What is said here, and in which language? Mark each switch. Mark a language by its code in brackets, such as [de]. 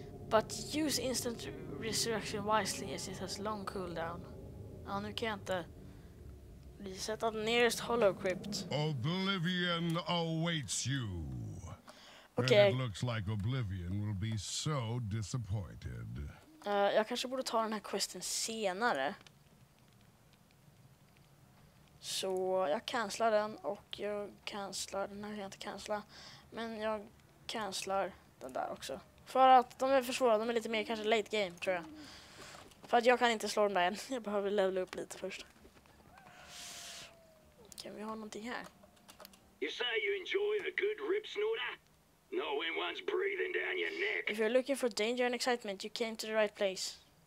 [en] But use instant resurrection wisely as it has long cooldown. [sv] Ja, nu kan jag inte... Vi sätter den [en] nearest Hollow Crypt. Oblivion awaits you. Okay. And it looks like Oblivion will be so disappointed. [sv] Jag kanske borde ta den här questen senare. Så jag cancelar den och jag cancelar den här, jag inte cancelar. Men jag cancelar den där också. För att de är för svåra, de är lite mer kanske late game tror jag. För att jag kan inte slå dem där än. Jag behöver levela upp lite först. Kan vi ha någonting här? [en] You say you enjoy a good rip snorter? No one's breathing down your neck. If you're looking for danger and excitement, you came to the right place.